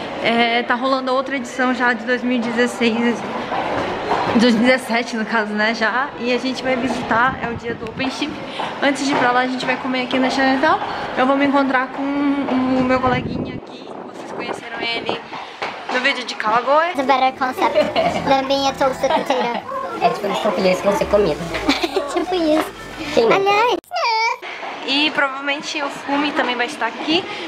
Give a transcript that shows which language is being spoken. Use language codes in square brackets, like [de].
[pt] É, tá rolando outra edição já de 2017, no caso, né, já. E a gente vai visitar, é o dia do Open Ship. Antes de ir pra lá, a gente vai comer aqui na Chinatown. Eu vou me encontrar com o meu coleguinha aqui. Vocês conheceram ele no vídeo de Calagoa. [en] It's a better concept than being a toasted potato. [pt] É tipo um topilhês que você comida. Tipo isso. Sim. Aliás. E provavelmente o Fumi também vai estar aqui.